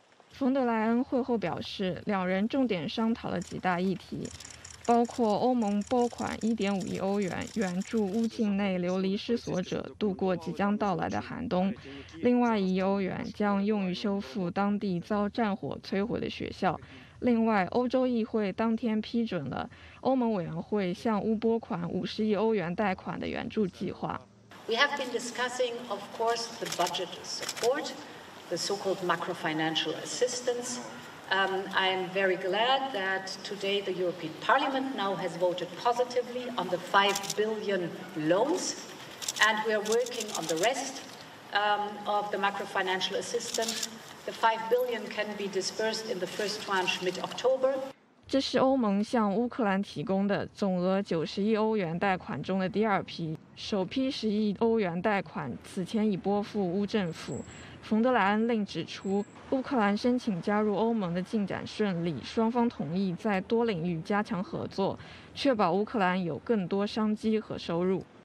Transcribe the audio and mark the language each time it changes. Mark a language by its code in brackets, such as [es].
[zh] 冯德莱恩会后表示，两人重点商讨了几大议题，包括欧盟拨款1.5亿欧元援助乌境内流离失所者度过即将到来的寒冬，另外1亿欧元将用于修复当地遭战火摧毁的学校。另外，欧洲议会当天批准了欧盟委员会向乌拨款50亿欧元贷款的援助计划。 [en] We have been discussing, of course, the budget support, the so-called macrofinancial assistance. I am very glad that today the European Parliament now has voted positively on the 5 billion loans, and we are working on the rest, of the macrofinancial assistance. The 5 billion can be dispersed in the first tranche mid-October. [zh] 这是欧盟向乌克兰提供的总额90亿欧元贷款中的第二批，首批10亿欧元贷款此前已拨付乌政府。冯德莱恩另指出，乌克兰申请加入欧盟的进展顺利，双方同意在多领域加强合作，确保乌克兰有更多商机和收入。